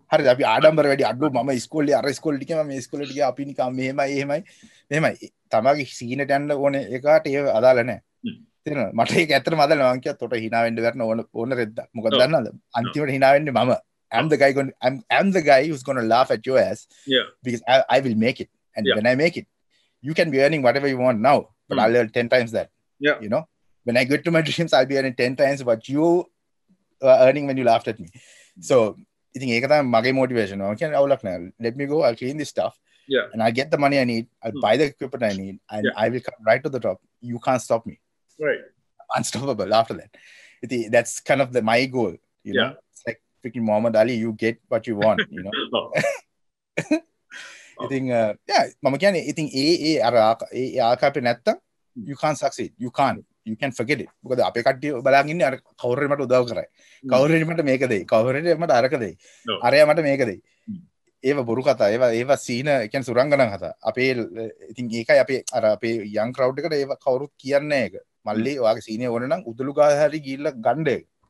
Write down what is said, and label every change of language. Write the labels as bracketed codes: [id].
[si] හරි අපි ආඩම්බර වැඩි අඩු මම ස්කෝලේ අර ස්කෝලේ ටිකේ මම මේ ස්කෝලේ ටිකේ අපි නිකන් මෙහෙමයි එහෙමයි මෙහෙමයි තමයි සීනට යන්න ඕනේ එකට ඒ අදාළ නෑ තේරෙනවද මට ඒක ඇත්තටම අදාළ නෑ මං කියත් උට hina වෙන්න වෙන ඕන රෙද්ද මොකද දන්නවද අන්තිමට hina වෙන්නේ මම [en] I'm the guy who's going to laugh at your ass because I will make it and when I make it You can be earning whatever you want now, but I'll earn 10 times that. Yeah. You know, when I get to my dreams, I'll be earning 10 times what you are earning when you laughed at me. So, I think that's my motivation. Okay, I'll look now. Let me go. I'll clean this stuff. Yeah. And I'll get the money I need. I'll buy the equipment I need. And I will come right to the top. You can't stop me. Right. Unstoppable after that. I think that's kind of my goal. You know, it's like freaking Muhammad Ali, you get what you want, you know. [si] ඉතින් මම කියන්නේ ඉතින් ඒ අර ඒ ආකාරයට නැත්තම් [en] you can't succeed you can forget it [si] මොකද අපේ කට්ටිය බලන් ඉන්නේ අර කවුරු හරි මට උදව් කරයි කවුරු හරි මට මේක දෙයි කවුරු හරි මට අරක දෙයි අරයා මට මේක දෙයි ඒව බොරු කතා ඒව සීන කියන්නේ සුරංගනන් කතා අපේ ඉතින් ඒකයි අපේ අර අපේ යන් ක්‍රවුඩ් එකට ඒව කවුරුත් කියන්නේ ඒක මල්ලී ඔයාගේ සීනේ ඕන නම් උදළු ගාලා හරි ගිහිල්ලා ගන්න ඒක